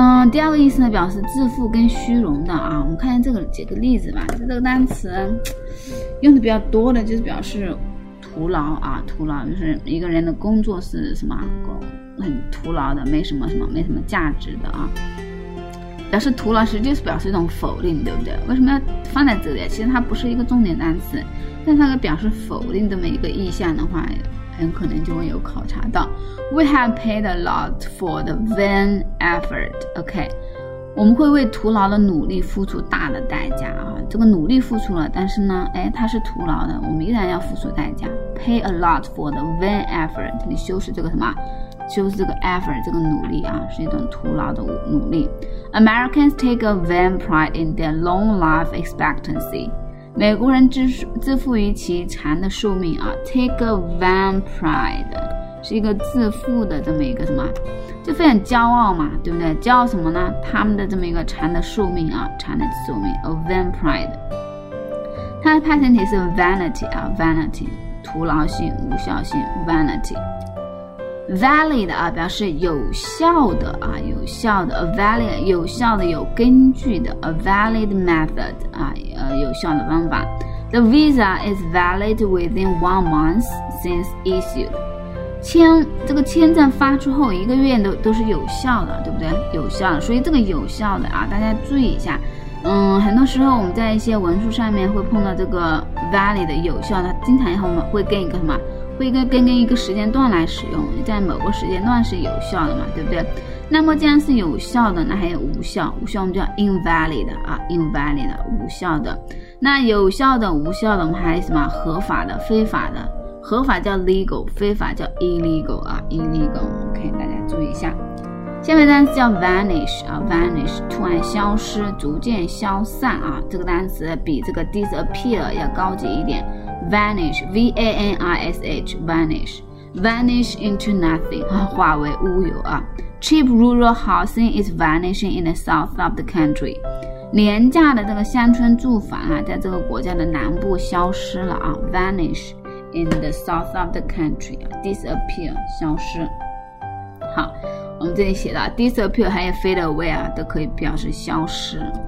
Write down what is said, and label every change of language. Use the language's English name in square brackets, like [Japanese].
[Chinese] 第二个意思呢表示自负跟虚荣的啊。我们看这个几个例子吧，这个单词用的比较多的就是表示徒劳啊，徒劳就是一个人的工作是什么很徒劳的，没什么什么，没什么价值的啊。表示徒劳实际是表示一种否定，对不对？为什么要放在这里？其实它不是一个重点单词，但它表示否定这么一个意向的话，很可能就会有考察到。 [English] We have paid a lot for the vain effort. [Chinese] OK， 我们会为徒劳的努力付出大的代价啊！这个努力付出了，但是呢，哎，它是徒劳的，我们依然要付出代价。 [English] Pay a lot for the vain effort. [Chinese] 你修饰这个什么？就是这个 effort 这个努力啊，是一种徒劳的努力。 [English] Americans take a vain pride in their long life expectancy， [Chinese] 美国人自负于其长的寿命啊。 [English] take a vain pride [Chinese] 是一个自负的这么一个什么，就非常骄傲嘛，对不对？骄傲什么呢？他们的这么一个长的寿命啊，长的寿命 [English] a vain pride。 [Chinese] 它的派生词是 vanity 啊 ，vanity 徒劳性、无效性 vanity。 Valid 啊，表示有效的啊，有效的 valid 有效的、有根据的 ， [English] a valid method [Chinese] 啊，有效的方法。 [English] The visa is valid within 1 month since issued。 [Chinese] 签这个签证发出后一个月都是有效的，对不对？有效的，所以这个有效的啊，大家注意一下。很多时候我们在一些文书上面会碰到这个 valid 的有效的，经常以后我们会跟一个什么，会跟一个时间段来使用，在某个时间段是有效的嘛，对不对？那么既然是有效的，那还有无效，无效我们叫 invalid 啊， invalid 无效的。那有效的、无效的，我们还有什么合法的、非法的？合法叫 legal， 非法叫 illegal 啊， illegal。 OK， 大家注意一下。下面单词叫 vanish 啊， vanish 突然消失、逐渐消散啊，这个单词比这个 disappear 要高级一点。 [English] vanish， v a n i s h， vanish， vanish into nothing 啊， [Chinese] 化为乌有啊。 [English] Cheap rural housing is vanishing in the south of the country。 [Chinese] 廉价的这个乡村住房啊，在这个国家的南部消失了啊。 [English] Vanish in the south of the country， disappear 消失。 [Chinese] 好，我们这里写的 disappear 还有 [English] fade away [Chinese] 啊，都可以表示消失。